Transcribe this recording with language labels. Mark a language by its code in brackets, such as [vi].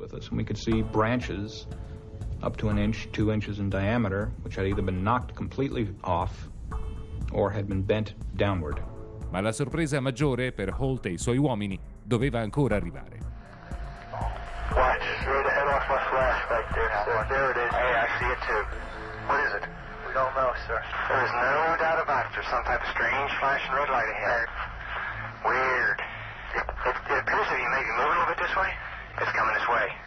[en] We could see branches up to an inch, 2 inches in diameter, which had either been knocked completely off or had been bent downward. [it] Ma la sorpresa maggiore per Holt e i suoi uomini doveva ancora arrivare. [en] Watch, throw the head off my flash back there, sir. There it is. Hey, I see it too. What is it? We don't know, sir. There's no doubt about it. There's some type of strange flashing red light ahead. Weird. It appears that he may be moving a little bit this way. It's coming this way.